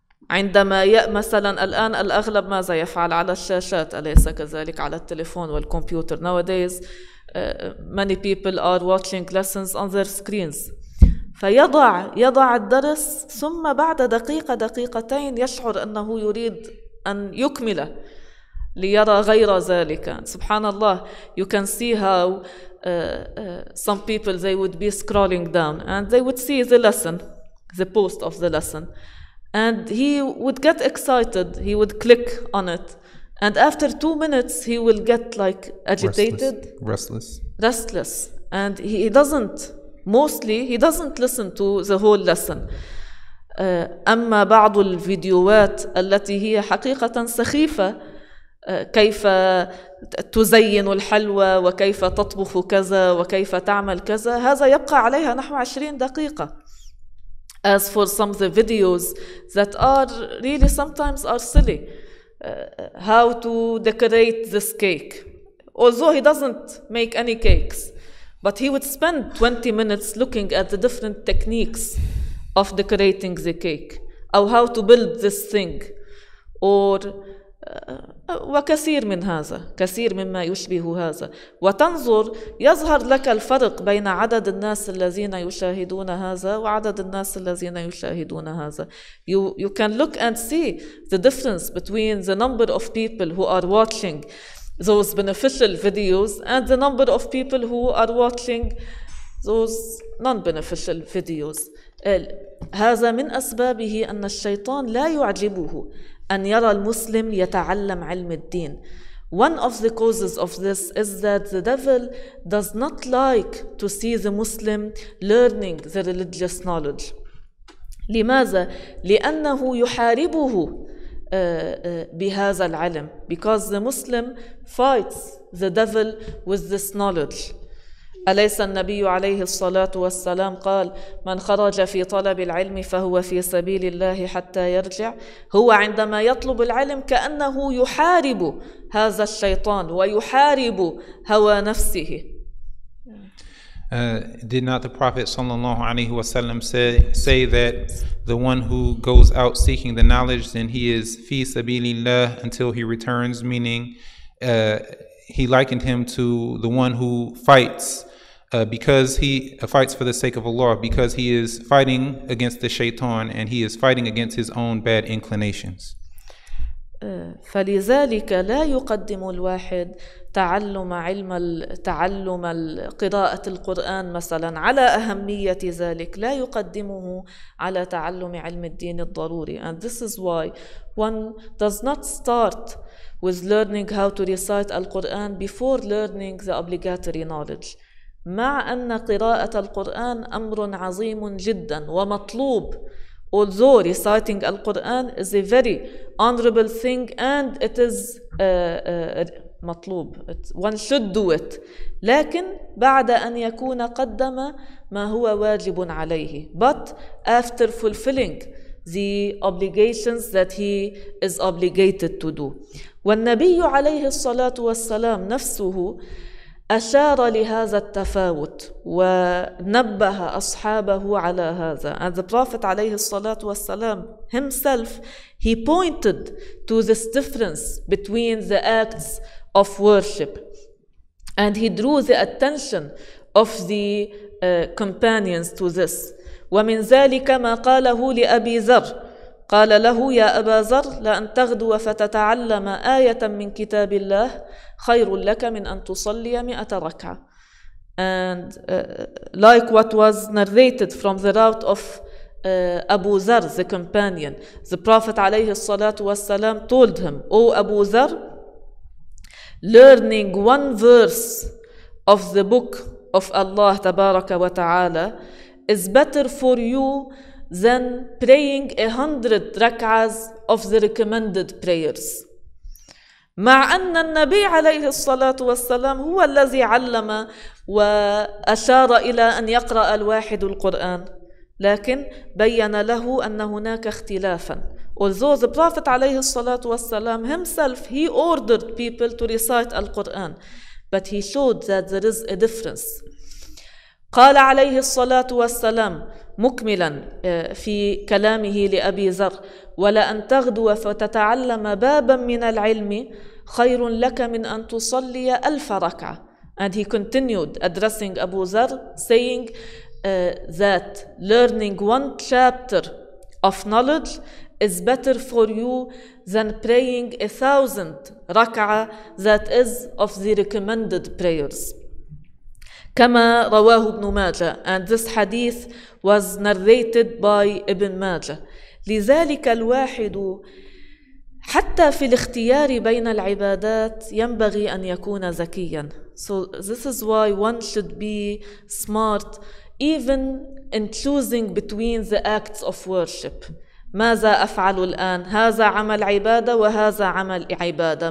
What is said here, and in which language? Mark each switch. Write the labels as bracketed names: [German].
[Arabic] عندما مثلا الآن الأغلب ماذا يفعل على الشاشات أليس كذلك على التليفون والكمبيوتر [English] nowadays many people are watching lessons on their screens. [Arabic] فيضع الدرس ثم بعد دقيقة دقيقتين يشعر أنه يريد أن يكمل ليرى غير ذلك. سبحان الله, [English] you can see how some people they would be scrolling down and they would see the lesson, the post of the lesson. And he would get excited, he would click on it. And after 2 minutes, he will get like agitated. Restless. And he doesn't, mostly, he doesn't listen to the whole lesson. [Arabic] أما بعض الفيديوهات التي هي حقيقة سخيفة, كيف تزين الحلوى وكيف تطبخ كذا وكيف تعمل كذا, هذا يبقى عليها نحو 20 دقيقة. [English] As for some of the videos that are really sometimes are silly, how to decorate this cake. Although he doesn't make any cakes, but he would spend 20 minutes looking at the different techniques of decorating the cake, or how to build this thing, or [Arabic] وكثير من هذا, كثير مما يشبه هذا. وتنظر يظهر لك الفرق بين عدد الناس الذين يشاهدون هذا وعدد الناس الذين يشاهدون هذا. [English] You can look and see the difference between the number of people who are watching those beneficial videos and the number of people who are watching those non-beneficial videos. [Arabic] هذا من أسبابه أن الشيطان لا يعجبه أن يرى المسلم يتعلم علم الدين. [English] One of the causes of this is that the devil does not like to see the Muslim learning the religious knowledge. [Arabic] لماذا؟ لأنه يحاربه بهذا العلم. [English] Because the Muslim fights the devil with this knowledge. [Arabic] أليس النبي عليه الصلاة والسلام قال من خرج في طلب العلم فهو في سبيل الله حتى يرجع؟ هو عندما يطلب العلم كأنه يحارب هذا الشيطان ويحارب هوى نفسه. [English] Did not the Prophet [Arabic] صلى الله عليه وسلم [English] say that the one who goes out seeking the knowledge then he is [Arabic] في سبيل الله [English] until he returns, meaning he likened him to the one who fights because he fights for the sake of Allah, because he is fighting against the shaitan and he is fighting against his own bad inclinations. [Arabic] فلذلك لا يقدم الواحد تعلم علم تعلم قراءة القرآن مثلا على أهمية ذلك, لا يقدمه على تعلم علم الدين الضروري. [English] And this is why one does not start with learning how to recite Al-Quran before learning the obligatory knowledge. [Arabic] مع أن قراءة القرآن أمر عظيم جدا ومطلوب. [English] Although reciting Al-Quran is a very honorable thing and it is مطلوب. One should do it. [Arabic] لكن بعد أن يكون قدم ما هو واجب عليه. [English] But after fulfilling the obligations that he is obligated to do. [Arabic] والنبي عليه الصلاة والسلام نفسه أشار لهذا التفاوت ونبه أصحابه على هذا. [English] And the Prophet [Arabic] عليه الصلاة والسلام [English] himself, he pointed to this difference between the acts of worship. And he drew the attention of the companions to this. [Arabic] ومن ذلك ما قاله لأبي ذر قال له يا أبا ذر لأن تغدو فتتعلم آية من كتاب الله خير لك من أن تصلي مئة ركعة. [English] And like what was narrated from the route of Abu Zar, the companion, the Prophet [Arabic] عليه الصلاة والسلام [English] told him, O Abu Zar, learning one verse of the book of Allah [Arabic] تبارك وتعالى [English] is better for you than praying 100 rak'ahs of the recommended prayers. [Arabic] مع أن النبي عليه الصلاة والسلام هو الذي علم وأشار إلى أن يقرأ الواحد القرآن لكن بيّن له أن هناك اختلافاً. [English] Although the Prophet [Arabic] عليه الصلاة والسلام [English] himself, he ordered people to recite Al-Quran, but he showed that there is a difference. [Arabic] قال عليه الصلاة والسلام مكملا في كلامه لأبي ذر ولأن تغدو فتتعلم بابا من العلم خير لك من أن تصلي 1000 ركعة. [English] And he continued addressing Abu Zar saying that learning one chapter of knowledge is better for you than praying 1000 ركعة that is of the recommended prayers. [Arabic] كما رواه ابن ماجة. [English] And this hadith was narrated by Ibn Majah. [Arabic] لذلك الواحد حتى في الاختيار بين العبادات ينبغي أن يكون ذكيا. [English] So this is why one should be smart even in choosing between the acts of worship. [Arabic] ماذا أفعل الآن؟ هذا عمل عبادة وهذا عمل عبادة.